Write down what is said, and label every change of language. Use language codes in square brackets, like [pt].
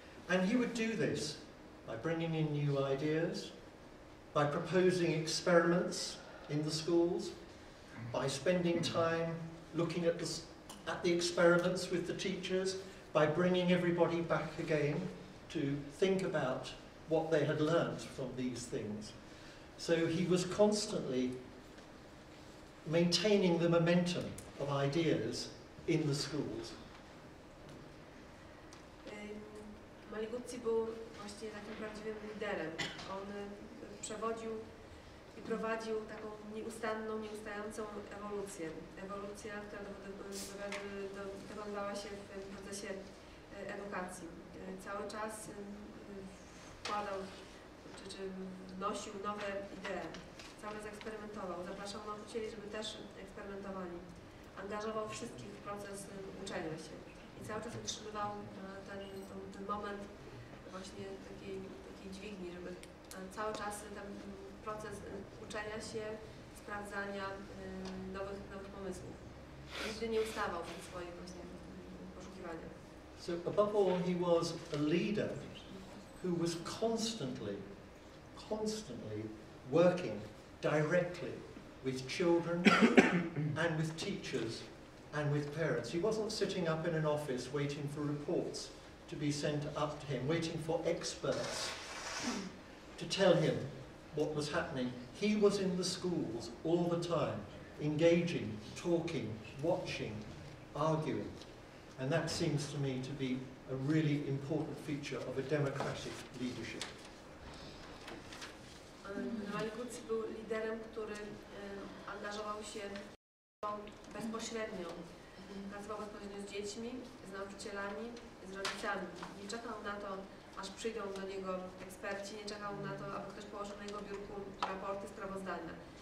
[en] And he would do this by bringing in new ideas, by proposing experiments in the schools, by spending time looking at the experiments with the teachers, by bringing everybody back again to think about what they had learnt from these things. So he was constantly maintaining the momentum of ideas in the schools. [pl] Maliguzzi był właśnie takim prawdziwym liderem. On przewodził i prowadził taką nieustanną, nieustającą ewolucję. Ewolucja, która dokonywała się w procesie edukacji. Cały czas wkładał, czy wnosił nowe idee. Cały czas eksperymentował. Zapraszał nauczycieli, żeby też eksperymentowali. Angażował wszystkich w proces uczenia się. I cały czas utrzymywał ten moment właśnie takiej dźwigni, żeby cały czas tam proces uczenia się, sprawdzania nowych pomysłów. Nigdy nie ustawał w swoim poszukiwaniu. [en] So above all, he was a leader who who was constantly working directly with children and with teachers and with parents. He wasn't sitting up in an office waiting for reports to be sent up to him, waiting for experts to tell him what was happening. He was in the schools all the time, engaging, talking, watching, arguing. And that seems to me to be a really important feature of a democratic leadership. [pl] General Kutz był liderem, który angażował się bezpośrednio. Pracował bezpośrednio z dziećmi, z nauczycielami, z rodzicami. Nie czekał na to, aż przyjdą do niego eksperci, nie czekał na to, aby ktoś położył na jego biurku raporty, sprawozdania.